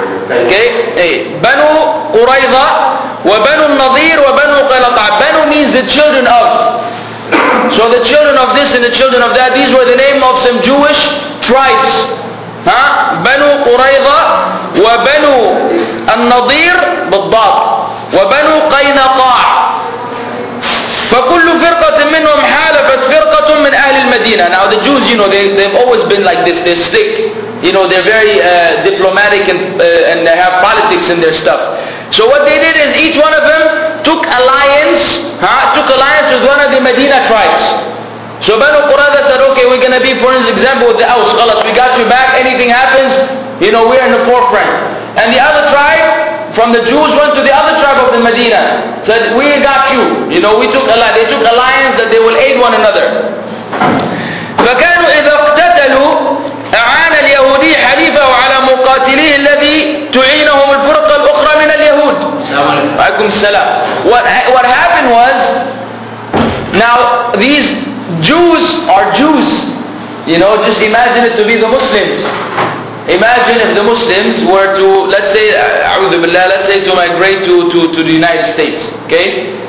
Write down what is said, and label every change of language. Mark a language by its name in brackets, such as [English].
[English] Okay, Banu Qurayza, wa Banu Nadir, wa Banu Qaynaqa. Banu means the children of. So the children of this and the children of that, these were the name of some Jewish tribes. Huh? [Arabic] Banu Qurayza, wa Banu Nadir, بالضبط. وبن قينقاع فكل فرقة منهم حالفت فرقة من أهل المدينة. [English] Now the Jews, you know, they've always been like this. They stick, you know, they're very diplomatic and they have politics in their stuff. So what they did is each one of them took alliance, took alliance with one of the Medina tribes. So Banu Qurayza said, okay, we're gonna be, for example, with the Aus. خلاص, we got you back. Anything happens, you know, we're in the forefront. And the other tribe from the Jews went to the other tribe of the Medina, said, we got you. You know, they took alliance that they will aid one another. [Arabic] فكانوا إذا اقتتلوا أعان اليهودي حليفه على مقاتليه الذي تعينهم الفرقة الأخرى من اليهود. عليكم السلام. [English] What happened was, now these Jews are Jews. You know, just imagine it to be the Muslims. Imagine if the Muslims were to, let's say, [Arabic] أعوذ بالله, [English] let's say to migrate to the United States, okay?